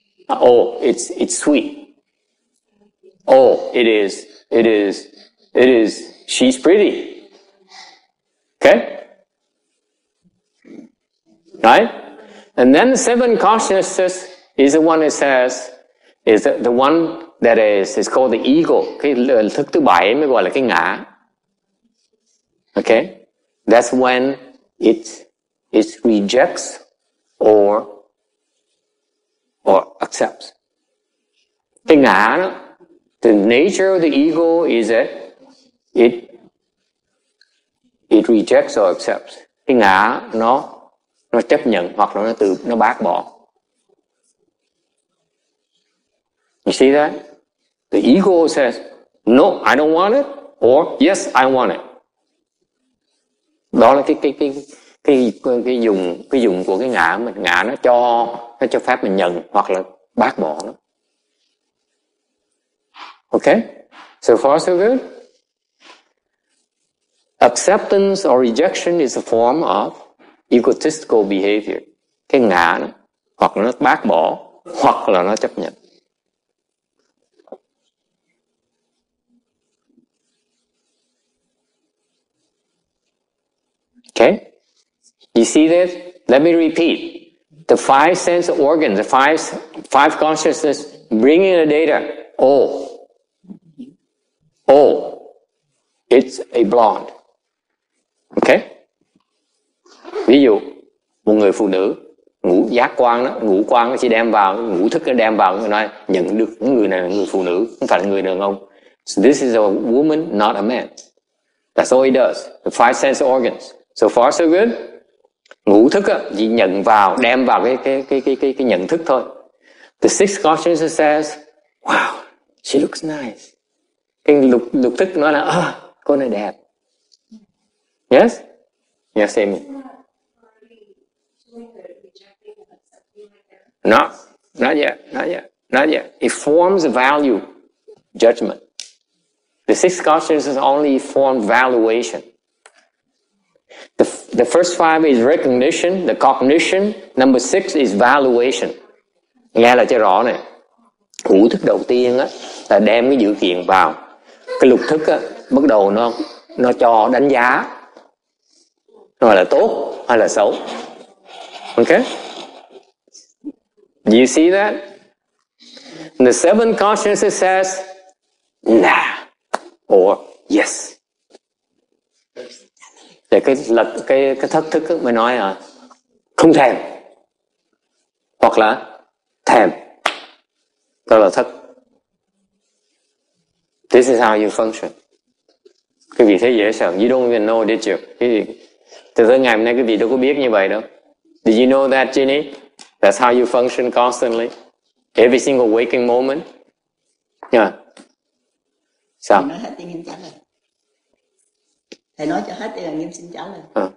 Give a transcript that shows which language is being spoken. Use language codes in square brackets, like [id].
[en] Oh, it's sweet. Oh, it is, she's pretty. Okay? Right? And then the seven consciousness is the one that says, is the one that is called the ego. [vi] Cái thức thứ bảy mới gọi là cái ngã. [en] Okay? That's when it rejects or accepts. [vi] Cái ngã đó, [en] the nature of the ego is that it rejects or accepts. [vi] Cái ngã nó chấp nhận hoặc là nó bác bỏ. [en] You see that? The ego says, no, I don't want it, or yes, I want it. [vi] Đó là cái dùng của cái ngã mình. Ngã nó cho phép mình nhận hoặc là bác bỏ nó. [en] Okay? So far so good? Acceptance or rejection is a form of egotistical behavior. Cái ngã nó, hoặc là nó bác bỏ hoặc là nó chấp nhận. Okay? You see this? Let me repeat. The five sense organs, the five consciousness bring in the data. Oh, it's a blonde. Okay? [vi] Ví dụ, một người phụ nữ ngũ giác quan đó, ngũ quan nó chỉ đem vào, ngũ thức nó đem vào, nói nhận được người này là người phụ nữ, không phải là người đàn ông. [en] So this is a woman, not a man. That's all he does. The five sense organs. So far so good. [vi] Ngũ thức á, chỉ nhận vào, đem vào cái nhận thức thôi. [en] The sixth consciousness says, wow, she looks nice. [vi] Cái lục thức nói là, ah, cô này đẹp. [en] Yes? Yes, Amy. Not yet. It forms a value judgment. The sixth consciousness only forms valuation. The first five is recognition, the cognition. Number six is valuation. [vi] Nghe là cho rõ này. Ngũ thức đầu tiên á là đem cái dự kiện vào. Cái lục thức á bắt đầu nó cho đánh giá. Nó là tốt hay là xấu. [en] Okay? Do you see that? And the seventh consciousness says, nah, or yes. [vi] Để cái thất thức mới nói là không thèm, hoặc là thèm, đó là thất. [en] This is how you function. [vi] Cái vị thấy dễ sợ, [en] you don't even know, did you? [vi] Từ tới ngày hôm nay cái vị đâu có biết như vậy đâu. [en] Did you know that, Ginny? That's how you function constantly. Every single waking moment. Yeah. [vi] Sao? Thầy nói cho hết đi là nghiêm xin trả lời.